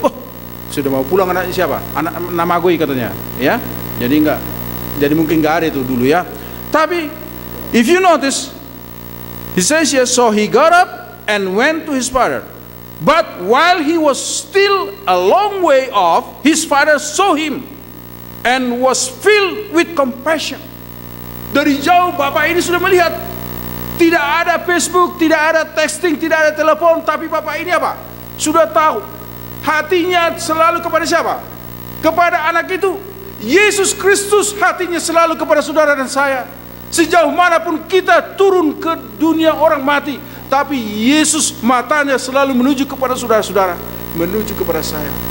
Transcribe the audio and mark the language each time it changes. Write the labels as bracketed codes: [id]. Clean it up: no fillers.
[id] Oh, sudah mau pulang anaknya siapa? Anak nama gue katanya. Ya. Jadi enggak. Jadi mungkin enggak ada itu dulu ya. [en] Tapi if you notice, he says here, so he got up and went to his father. But while he was still a long way off, his father saw him and was filled with compassion. [id] Dari jauh bapak ini sudah melihat. Tidak ada Facebook, tidak ada texting, tidak ada telepon, tapi bapak ini apa? Sudah tahu. Hatinya selalu kepada siapa? Kepada anak itu. Yesus Kristus, hatinya selalu kepada saudara dan saya. sejauh manapun kita turun ke dunia orang mati, tapi Yesus matanya selalu menuju kepada saudara-saudara, menuju kepada saya.